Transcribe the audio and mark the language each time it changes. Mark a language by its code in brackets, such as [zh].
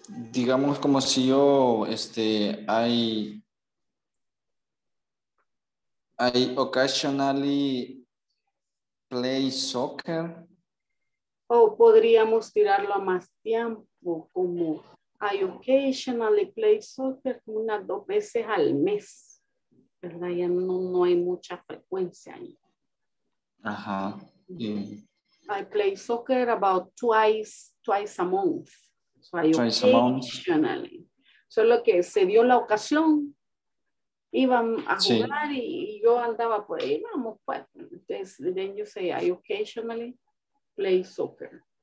[es] Digamos como si yo, [en] I occasionally play soccer. [es] O podríamos tirarlo a más tiempo, como [en] I occasionally play soccer [es] unas 2 veces al mes, ¿verdad? Ya no hay mucha frecuencia ahí. Ajá. [en] Yeah. I play soccer about twice a month. So I occasionally. [es] Solo que se dio la ocasión, iban a jugar sí. y yo andaba por ahí, vamos pues. [en] Entonces, then you say I occasionally play soccer.